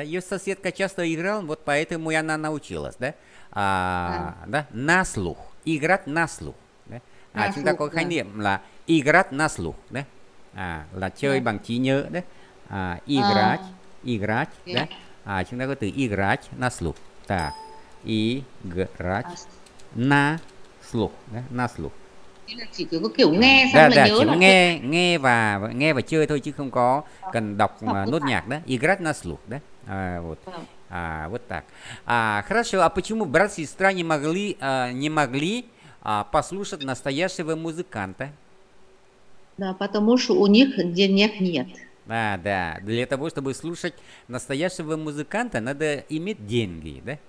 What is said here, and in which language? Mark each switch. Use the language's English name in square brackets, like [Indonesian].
[Russian] Ее соседка часто играла, вот поэтому и она научилась, да? Да? На слух. Играть на слух. Да? [Vietnamese] Chúng ta có khái niệm là [Russian] играть на слух, да? [Vietnamese] Là chơi bằng trí nhớ, да? [Russian] Играть, да? [Vietnamese] Chúng ta có từ [Russian] играть на слух. Так. Играть на слух, да? На слух. [Vietnamese] chỉ kiểu có kiểu nghe xong đã, là nhớ chỉ là nghe nghe và chơi thôi chứ không có cần đọc nốt nhạc đó. [Russian] Играть на слух, да? Вот. А, вот так. А, хорошо, а почему брат и сестра не могли послушать настоящего музыканта? Да, потому что у них денег нет. Да, да. Для того, чтобы слушать настоящего музыканта, надо иметь деньги, да?